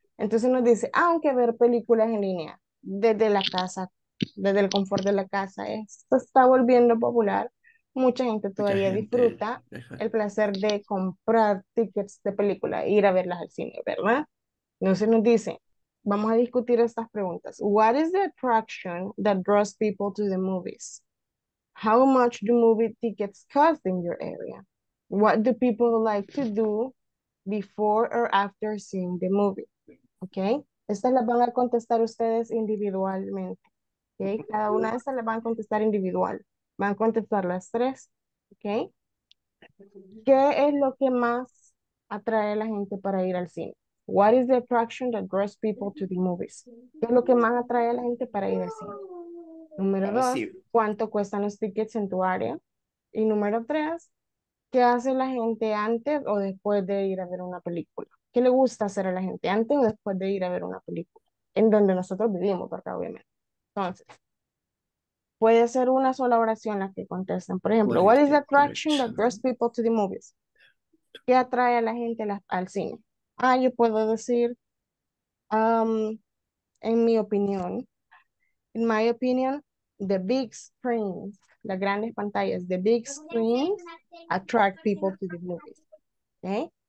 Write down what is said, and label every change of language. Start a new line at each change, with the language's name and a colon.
Spanish: Entonces nos dice, aunque ver películas en línea desde la casa, desde el confort de la casa, esto está volviendo popular. Mucha gente todavía mucha gente disfruta el placer de comprar tickets de película, ir a verlas al cine, ¿verdad? Entonces nos dice, vamos a discutir estas preguntas.
English: What is the attraction that draws people to the movies? How much do movie tickets cost in your area? What do people like to do before or after seeing the movie?
Spanish: Okay. Estas las van a contestar ustedes individualmente. Okay. Cada una de estas las van a contestar individual. Van a contestar las tres. Okay. ¿Qué es lo que más atrae a la gente para ir al cine?
English: What is the attraction that draws people to the movies?
Spanish: ¿Qué es lo que más atrae a la gente para ir al cine? Número dos, ¿cuánto cuestan los tickets en tu área? Y número tres, ¿qué hace la gente antes o después de ir a ver una película? ¿Qué le gusta hacer a la gente antes o después de ir a ver una película? En donde nosotros vivimos, porque obviamente. Entonces, puede ser una sola oración la que contesten. Por ejemplo,
English: what is the attraction that draws people to the movies?
Spanish: ¿Qué atrae a la gente al cine? Ah, yo puedo decir, en mi opinión,
English: in my opinion, the big screens,
Spanish: las grandes pantallas,
English: the big screens attract people to the movies.
Spanish: Okay?